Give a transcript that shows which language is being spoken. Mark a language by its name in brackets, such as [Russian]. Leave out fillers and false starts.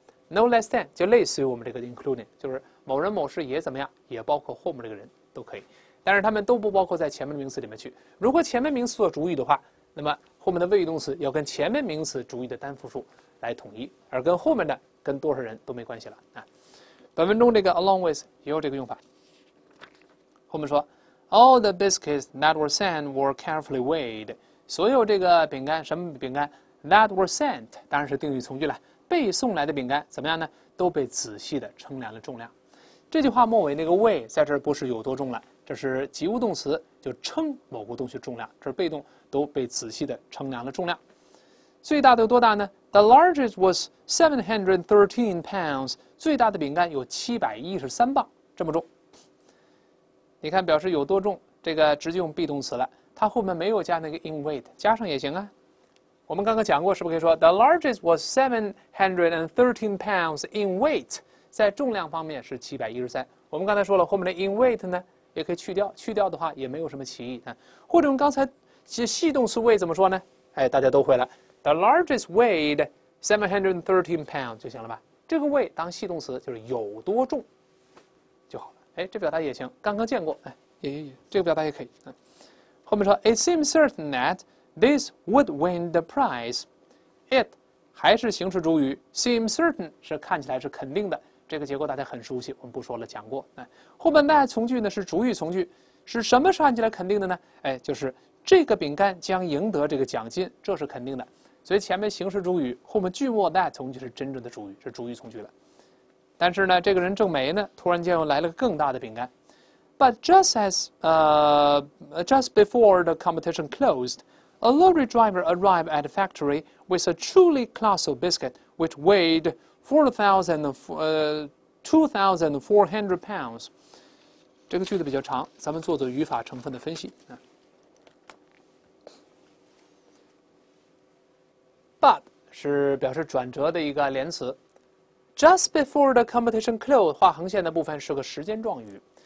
[English] No less than [Chinese] 就类似于我们这个 including， 就是某人某事也怎么样，也包括后面这个人都可以，但是他们都不包括在前面的名词里面去。如果前面名词做主语的话，那么后面的谓语动词要跟前面名词主语的单复数来统一，而跟后面的跟多少人都没关系了啊。本文中这个 along with 也有这个用法，后面说。 [English] All the biscuits that were sent were carefully weighed. [Chinese] 所有这个饼干，什么饼干 ？ [English] That were sent， [Chinese] 当然是定语从句了。被送来的饼干怎么样呢？都被仔细的称量了重量。这句话末尾那个 weigh 在这儿不是有多重了，这是及物动词，就称某个东西重量。这是被动，都被仔细的称量了重量。最大的有多大呢 [English] ？The largest was 713 pounds. [Chinese] 最大的饼干有713磅，这么重。你看，表示有多重，这个直接用 be 动词了，它后面没有加那个 in weight， 加上也行啊。我们刚刚讲过，是不是可以说 [English] the largest was 713 pounds in weight， [Chinese] 在重量方面是713。我们刚才说了，后面的 in weight 呢，也可以去掉，去掉的话也没有什么歧义啊。或者用刚才其系动词 weigh 怎么说呢？哎，大家都会了 ， [English] the largest weighed 713 pounds [Chinese] 就行了吧？这个 weigh 当系动词就是有多重。哎，这表达也行，刚刚见过，哎，也，这个表达也可以。嗯，后面说 [English] ，It seems certain that this would win the prize. [Chinese] It 还是形式主语 ，seem certain 是看起来是肯定的，这个结构大家很熟悉，我们不说了，讲过。哎，后面 that 从句呢是主语从句，是什么是看起来肯定的呢？哎，就是这个饼干将赢得这个奖金，这是肯定的。所以前面形式主语，后面句末 that 从句是真正的主语，是主语从句了。但是呢，这个人正没呢，突然间又来了个更大的饼干。 [English] But just as just before the competition closed, a lorry driver arrived at the factory with a truly colossal biscuit which weighed 2,400 pounds. [Chinese] 这个句子比较长，咱们做做语法成分的分析。 But 是表示转折的一个连词。 [English] Just before the competition closed， [Chinese] 画横线的部分是个时间状语。